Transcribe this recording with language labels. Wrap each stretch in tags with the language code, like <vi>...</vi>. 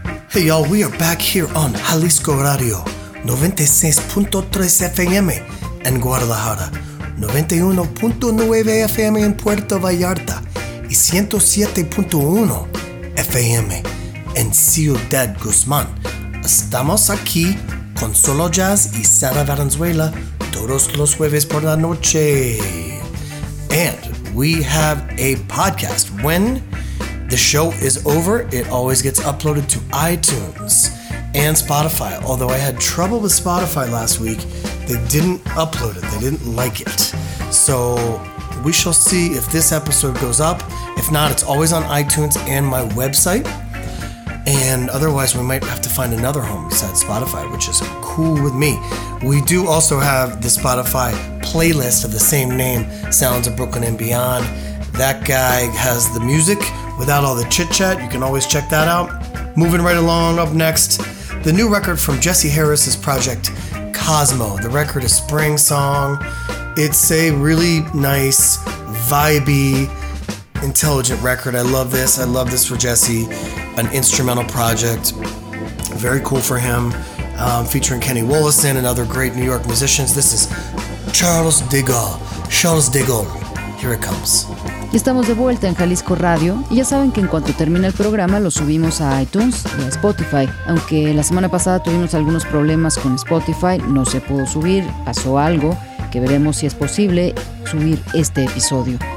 <en>Hey y'all, we are back here on Jalisco Radio, 96.3 FM in Guadalajara, 91.9 FM in Puerto Vallarta, y 107.1 FM in Ciudad Guzmán.</en> <es>Estamos aquí con Solo Jazz y Sara Valenzuela todos los jueves por la noche.</es> <en>And we have a podcast. When the show is over, it always gets uploaded to iTunes and Spotify. Although I had trouble with Spotify last week, they didn't upload it. They didn't like it. So we shall see if this episode goes up. If not, it's always on iTunes and my website. And otherwise, we might have to find another home besides Spotify, which is cool with me. We do also have the Spotify playlist of the same name, Sounds of Brooklyn and Beyond. That guy has the music. Without all the chit-chat, you can always check that out. Moving right along, up next, the new record from Jesse Harris's project, Cosmo. The record is Spring Song. It's a really nice, vibey, intelligent record. I love this. I love this for Jesse. An instrumental project. Very cool for him. Featuring Kenny Wollison and other great New York musicians. This is Charles de Gaulle. Charles de Gaulle. Here it comes.</en> <es>Estamos de vuelta en Jalisco Radio y ya saben que en cuanto termina el programa lo subimos a iTunes y a Spotify. Aunque la semana pasada tuvimos algunos problemas con Spotify, no se pudo subir, pasó algo, que veremos si es posible subir este episodio.</es>